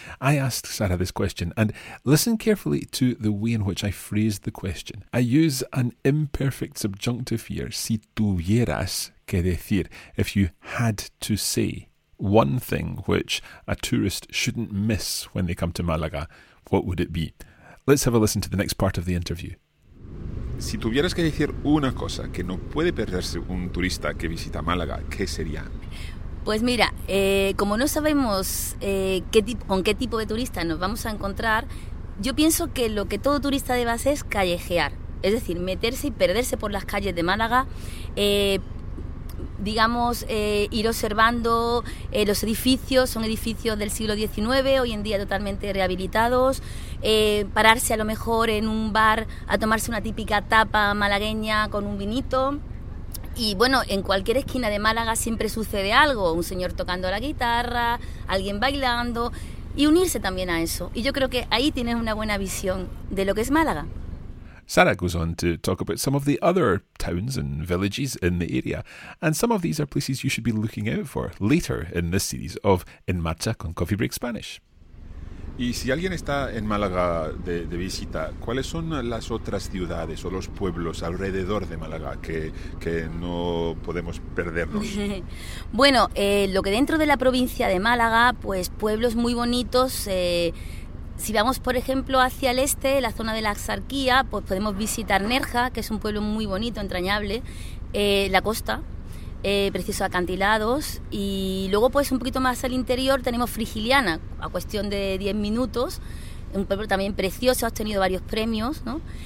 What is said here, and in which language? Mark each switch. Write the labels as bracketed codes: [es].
[en] I asked Sara this question, and listen carefully to the way in which I phrased the question. I use an imperfect subjunctive here, [es] si tuvieras que decir, [en] if you had to say one thing which a tourist shouldn't miss when they come to Malaga, what would it be? Let's have a listen to the next part of the interview. [es] Si tuvieras que decir una cosa que no puede perderse un turista que visita Málaga, ¿qué sería? Pues mira, como no sabemos con qué tipo de turista nos vamos a encontrar, yo pienso que lo que todo turista debe hacer es callejear, es decir, meterse y perderse por las calles de Málaga, ir observando los edificios, son edificios del siglo XIX, hoy en día totalmente rehabilitados, pararse a lo mejor en un bar a tomarse una típica tapa malagueña con un vinito. Y bueno, en cualquier esquina de Málaga siempre sucede algo, un señor tocando la guitarra, alguien bailando, y unirse también a eso. Y yo creo que ahí tienes una buena visión de lo que es Málaga. [en] Sara goes on to talk about some of the other towns and villages in the area, and some of these are places you should be looking out for later in this series of En Marcha con Coffee Break Spanish. [es] Y si alguien está en Málaga de visita, ¿cuáles son las otras ciudades o los pueblos alrededor de Málaga que no podemos perdernos? Bueno, lo que dentro de la provincia de Málaga, pues pueblos muy bonitos. Si vamos, por ejemplo, hacia el este, la zona de la Axarquía, pues podemos visitar Nerja, que es un pueblo muy bonito, entrañable, la costa, preciosos acantilados, y luego pues un poquito más al interior tenemos Frigiliana, a cuestión de 10 minutos, un pueblo también precioso, ha obtenido varios premios, ¿no?